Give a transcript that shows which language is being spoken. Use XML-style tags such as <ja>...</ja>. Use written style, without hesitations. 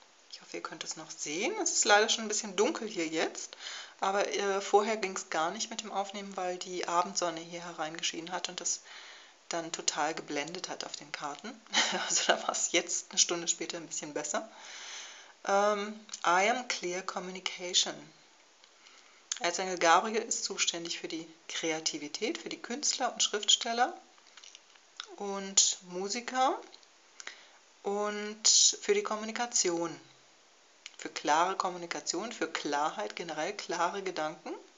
<de>Ich hoffe, ihr könnt es noch sehen. Es ist leider schon ein bisschen dunkel hier jetzt. Aber vorher ging es gar nicht mit dem Aufnehmen, weil die Abendsonne hier hereingeschienen hat und das dann total geblendet hat auf den Karten. Also da war es jetzt eine Stunde später ein bisschen besser.</de> <en>I am clear communication.</en> <de>Erzengel Gabriel ist zuständig für die Kreativität, für die Künstler und Schriftsteller und Musiker und für die Kommunikation, für klare Kommunikation, für Klarheit, generell klare Gedanken,</de>